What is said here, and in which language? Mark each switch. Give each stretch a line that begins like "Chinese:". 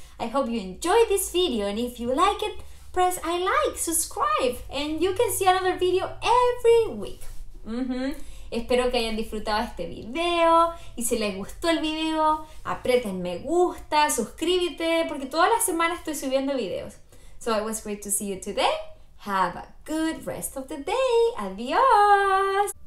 English: I hope you enjoyed this video, and if you like it, press I like, subscribe, and you can see another video every week. Mm-hmm.
Spanish: Espero que hayan disfrutado este video, y si les gustó el video, aprieten me gusta, suscríbete, porque todas las semanas estoy subiendo videos.
English: So it was great to see you today. Have a good rest of the day. Adiós.